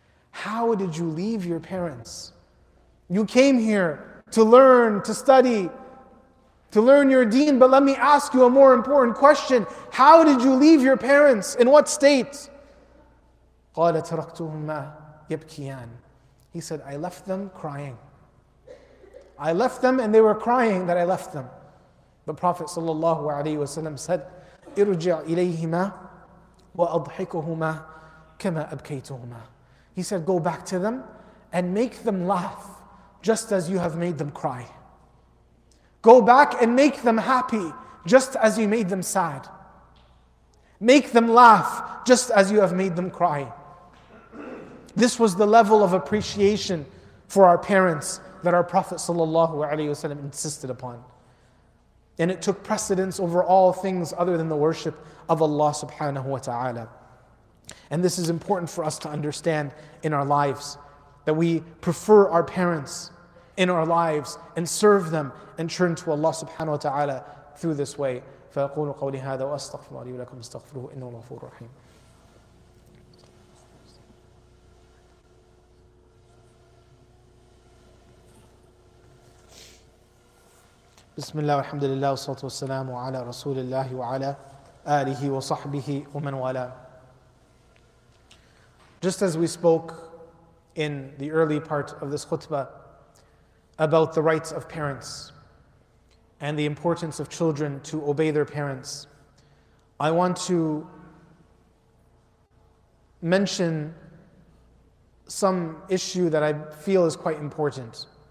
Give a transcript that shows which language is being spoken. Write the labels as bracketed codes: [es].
[en] How did you leave your parents? You came here to learn, to study, to learn your deen, but let me ask you a more important question. How did you leave your parents? In what state? [ar] قَالَ تَرَكْتُهُمَا يَبْكِيَانَ. [en] He said, I left them crying. I left them and they were crying that I left them. The Prophet ﷺ said, [ar] إِرُجِعْ إِلَيْهِمَا وَأَضْحِكُهُمَا كَمَا أَبْكَيْتُهُمَا. [en] He said, go back to them and make them laugh just as you have made them cry. Go back and make them happy just as you made them sad. Make them laugh just as you have made them cry. This was the level of appreciation for our parents that our Prophet ﷺ insisted upon. And it took precedence over all things other than the worship of Allah subhanahu wa ta'ala. And this is important for us to understand in our lives, that we prefer our parents in our lives and serve them and turn to Allah subhanahu wa ta'ala through this way. [ar] فَأَقُولُ قَوْلِ هَذَا وَأَسْتَغْفِرُ لِي وَلَكُمْ أَسْتَغْفِرُهُ إِنَّهُ الْغَفُورُ الرَّحِيمُ. بسم الله والحمد لله والصلاة والسلام على رسول الله وعلى آله وصحبه ومن والاه. [en] Just as we spoke in the early part of this khutbah about the rights of parents and the importance of children to obey their parents, I want to mention some issue that I feel is quite important.